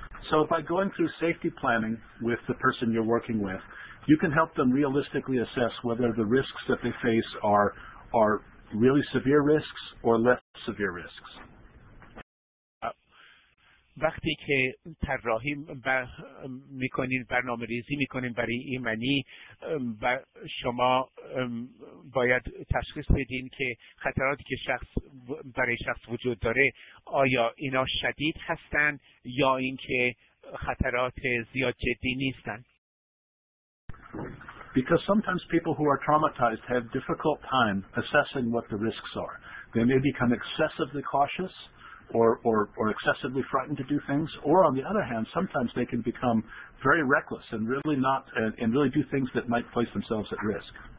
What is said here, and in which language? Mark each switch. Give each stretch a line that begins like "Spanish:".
English: So by going through safety planning with the person you're working with, you can help them realistically assess whether the risks that they face are really severe risks or less severe risks.
Persian: وقتی که طراحی میکنین، برنامه ریزی میکنین برای ایمنی، و شما باید تشخیص بدین که خطراتی که شخص برای شخص وجود داره آیا اینا شدید هستن یا اینکه خطرات زیاد جدی نیستن.
English: Because sometimes people who are traumatized have difficult time assessing what the risks are. They may become excessively cautious or excessively frightened to do things, or on the other hand, sometimes they can become very reckless and really do things that might place themselves at risk.